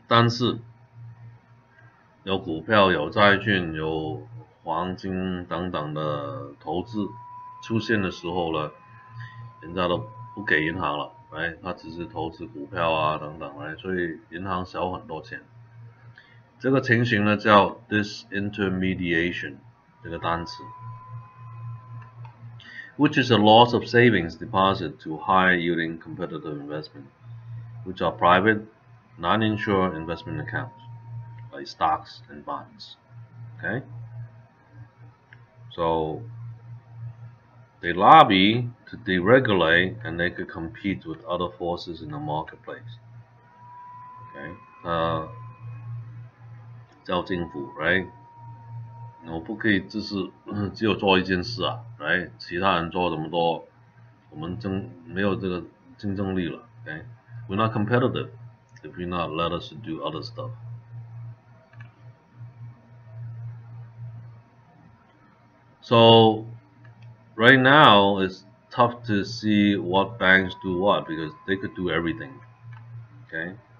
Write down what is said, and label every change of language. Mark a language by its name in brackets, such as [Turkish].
[Chinese] 但是, 有股票, 有债券, 有黄金等等的投资出现的时候呢, 人家都不给银行了, right? 他只是投资股票啊, 等等, right? 所以银行少很多钱。这个情形呢, 叫 [English] disintermediation, [Chinese] 这个单词, [English] which is a loss of savings deposit to high yielding competitive investment, which are private, non-insured investment accounts, like stocks and bonds, okay? So, they lobby to deregulate and they could compete with other forces in the marketplace, okay? [Chinese] 叫政府, right? 我不可以只有做一件事啊, right? 其他人做这么多, 我们没有这个竞争力了, okay? [English] We're not competitive if you not let us do other stuff. So right now it's tough to see what banks do what because they could do everything. Okay.